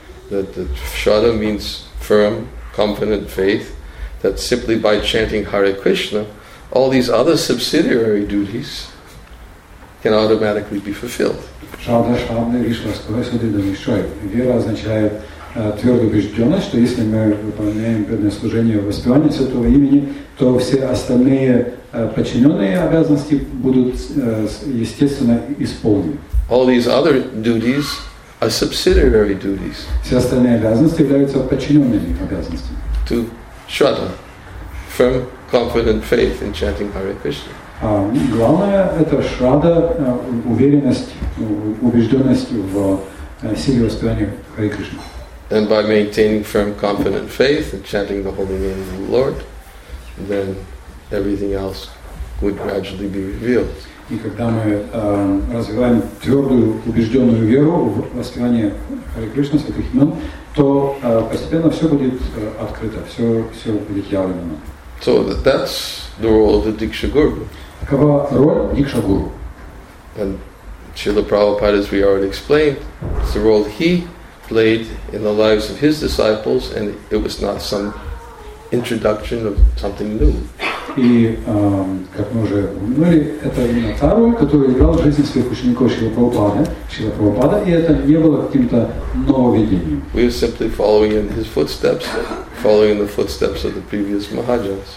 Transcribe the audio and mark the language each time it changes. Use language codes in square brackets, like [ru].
[en] That Shraddha means firm, confident faith, that simply by chanting Hare Krishna, all these other subsidiary duties can automatically be fulfilled. [bn] Шрада шабди вишваш кахиди суджидани шчая. [ru] Вера означает твердую убежденность, что если мы выполняем преданное служение в воспевании святого имени, то все остальные подчиненные обязанности будут естественно исполнены. [en] All these other duties are subsidiary duties. [ru] Все остальные обязанности являются подчиненными обязанностями. [en] To Shraddha, firm, confident faith in chanting Hare Krishna. [ru] Главное это Shraddha, уверенность, убежденность в силе воспевания Hare Krishna. [en] And by maintaining firm, confident faith and chanting the holy name of the Lord, then everything else would gradually be revealed. [ru] И когда мы развиваем твердую убежденную веру в воспевание Харе Кришна, святых имен, то постепенно все будет открыто, все будет явлено. [en] So that's the role of the Diksha Guru. [ru] Какова роль Диксха Гуру? [en] And Srila Prabhupada, as we already explained, it's the role he played in the lives of his disciples, and it was not some introduction of something new. [ru] И как мы уже говорили, это именно та роль, которую играл в жизни своих учеников Шрила Прабхупада, и это не было каким-то нововведением. [en] We are simply following in his footsteps, following in the footsteps of the previous Mahajans.